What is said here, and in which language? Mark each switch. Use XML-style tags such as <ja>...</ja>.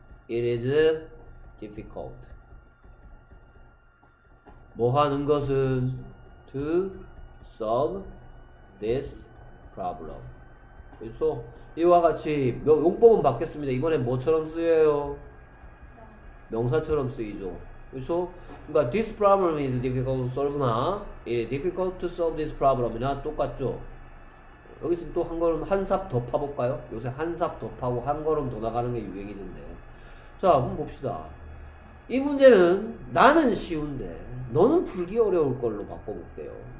<en>It is difficult.</en> <ko>뭐 하는 것은</ko> <en>to solve this problem.</en> <ko>그렇죠. 이와 같이 용법은 바뀌었습니다. 이번엔 뭐처럼 쓰여요? 명사처럼 쓰이죠. 그렇죠? 그러니까</ko> <en>this problem is difficult to solve나 it is difficult to solve this problem이나</en> <ko>똑같죠. 여기서 또한 걸음 한삽더 파볼까요? 요새 한삽더 파고 한 걸음 더 나가는 게 유행이던데. 자, 한번 봅시다. 이 문제는 나는 쉬운데 너는 풀기 어려울 걸로 바꿔볼게요.</ko>